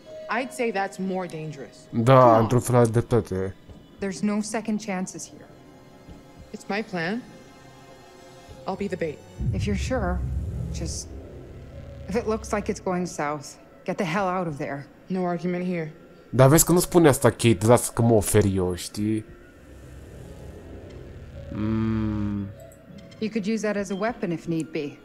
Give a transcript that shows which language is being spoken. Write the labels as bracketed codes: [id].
[en] I'd say that's more dangerous. [ro] Da, într-un fel de toate. [en] There's no second chances here. It's my plan. I'll be the bait. If you're sure, just if it looks like it's going south, get the hell out of there. No argument here. [ro] Dar vezi că nu spune asta Kate, lasă că mă ofer eu, știi? [en] You could use that as a weapon if need be.